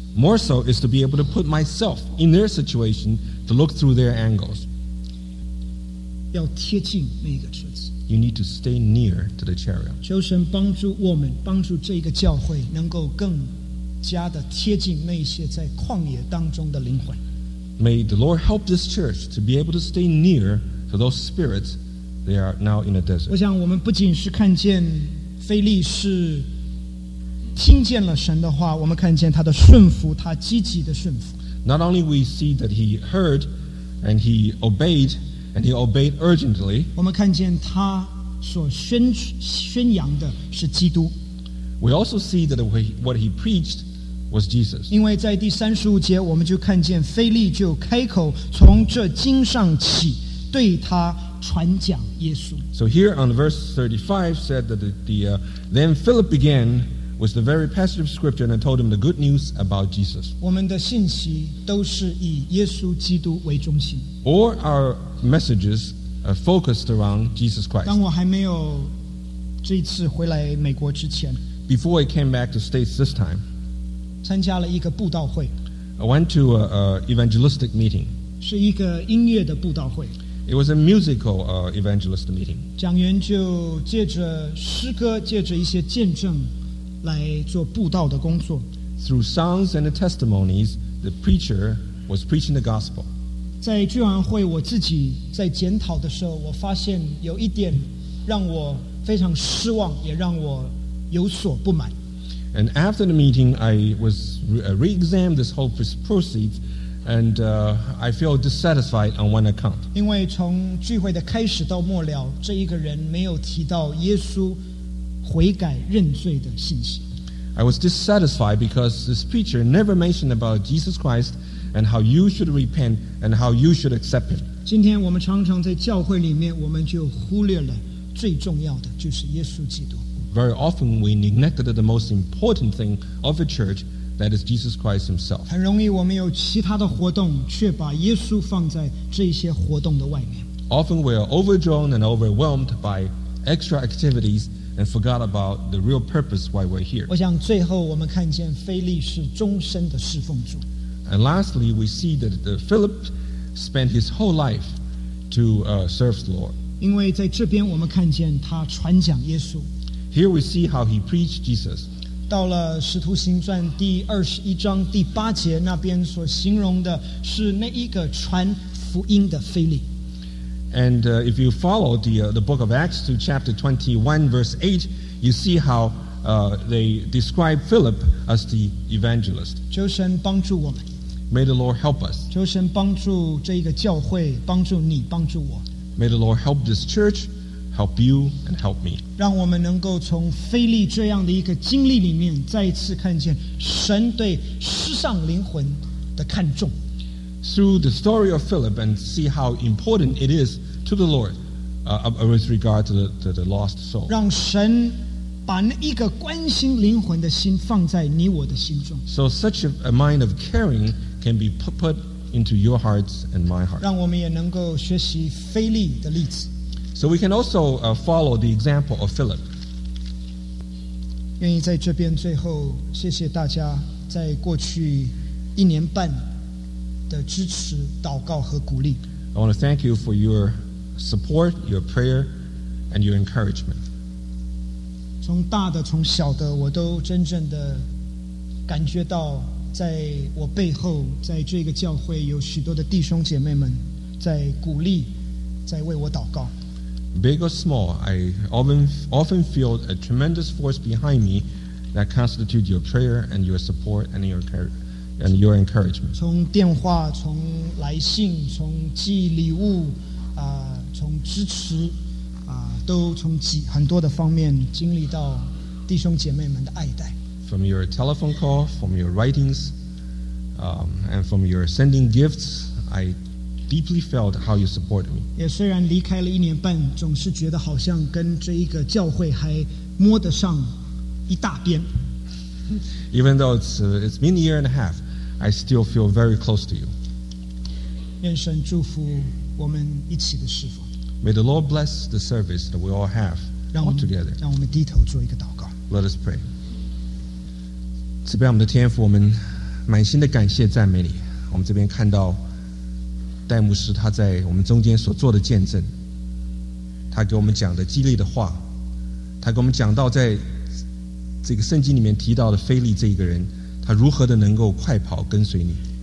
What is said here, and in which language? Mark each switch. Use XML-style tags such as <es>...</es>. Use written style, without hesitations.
<en>More so is to be able to put myself in their situation to look through their angles.</en> <zh>要贴近那个车子。</zh> <en>You need to stay near to the chariot.</en> <zh>求神帮助我们，帮助这个教会能够更加的贴近那些在旷野当中的灵魂。</zh> <en>May the Lord help this church to be able to stay near to those spirits that are now in a desert.</en> <zh>我想我们不仅是看见腓力是听见了神的话，我们看见他的顺服，他积极的顺服。</zh> <en>Not only we see that he heard and he obeyed urgently.</en> <zh>我们看见他所宣扬的是基督。</zh> <en>We also see that what he preached was Jesus.</en> <zh>因为在第35节我们就看见腓力就开口从这经上起对他传讲耶稣。</zh> <en>So here on verse 35 said that then Philip began with the very passage of scripture and told him the good news about Jesus.</en> <zh>我们的信息都是以耶稣基督为中心。</zh> <en>All our messages are focused around Jesus Christ.</en> <zh>当我还没有这次回来美国之前，</zh> <en>Before I came back to States this time,</en> <zh>参加了一个布道会。</zh> <en>I went to an evangelistic meeting.</en> <zh>是一个音乐的布道会。</zh> <en>It was a musical evangelist meeting.</en> <zh>讲员就借着诗歌，借着一些见证来做布道的工作。</zh> <en>Through songs and the testimonies, the preacher was preaching the gospel.</en> <zh>在聚完会，我自己在检讨的时候，我发现有一点让我非常失望，也让我有所不满。</zh> <en>And after the meeting, I was re-examined this whole proceed, and I feel dissatisfied on one account.</en> <zh>因为从聚会的开始到末了，这一个人没有提到耶稣悔改认罪的信息。</zh> <en>I was dissatisfied because this preacher never mentioned about Jesus Christ and how you should repent and how you should accept him.</en> <zh>今天我们常常在教会里面，我们就忽略了最重要的就是耶稣基督。</zh> <en>Very often we neglected the most important thing of the church, that is Jesus Christ himself.</en> <zh>很容易我们有其他的活动，却把耶稣放在这些活动的外面。</zh> <en>Often we are overdrawn and overwhelmed by extra activities and forgot about the real purpose why we're here.</en> <zh>我想最后我们看见腓力是终身的侍奉主。</zh> <en>And lastly, we see that Philip spent his whole life to serve the Lord.</en> <zh>因为在这边我们看见他传讲耶稣。</zh> <en>Here we see how he preached Jesus.</en> <zh>到了使徒行传第二十一章第八节，那边所形容的是那一个传福音的腓力。</zh> <en>And if you follow the book of Acts to chapter 21 verse 8, you see how they describe Philip as the evangelist.</en> <zh>求神帮助我们。</zh> <en>May the Lord help us.</en> <zh>求神帮助这个教会，帮助你，帮助我。</zh> <en>May the Lord help this church, help you, and help me.</en> <zh>让我们能够从腓力这样的一个经历里面再一次看见神对失丧灵魂的看重。</zh> <en>Through the story of Philip and see how important it is to the Lord with regard to the lost soul.</en> <zh>让神把那一个关心灵魂的心放在你我的心中。</zh> <en>So such a mind of caring can be put into your hearts and my heart.</en> <zh>让我们也能够学习腓力的例子。</zh> <en>So we can also follow the example of Philip.</en> <zh>愿意在这边最后谢谢大家在过去一年半的支持、祷告和鼓励。</zh> <en>I want to thank you for your support, your prayer, and your encouragement.</en> <zh>从大的、从小的，我都真正的感觉到在我背后，在这个教会有许多的弟兄姐妹们在鼓励，在为我祷告。</zh> <en>Big or small, I often feel a tremendous force behind me that constitutes your prayer and your support and your encouragement.</en> <zh>从电话，从来信，从寄礼物，从支持，都从几很多的方面经历到弟兄姐妹们的爱戴。</zh> <en>From your telephone call, from your writings, and from your sending gifts, I deeply felt how you supported me.</en> <zh>也虽然离开了一年半，总是觉得好像跟这一个教会还摸得上一大边。</zh> <en>Even though it's been a year and a half, I still feel very close to you.</en> <zh>愿神祝福我们一起的侍奉。</zh> <en>May the Lord bless the service that we all have all together.</en> <zh>让我们低头做一个祷告。</zh> <en>Let us pray.</en> <zh>慈悲我们的天父，我们满心的感谢赞美你。我们这边看到戴牧师他在我们中间所做的见证，他给我们讲的激励的话，他给我们讲到在这个圣经里面提到的腓力这一个人，他如何的能够快跑跟随你。</zh>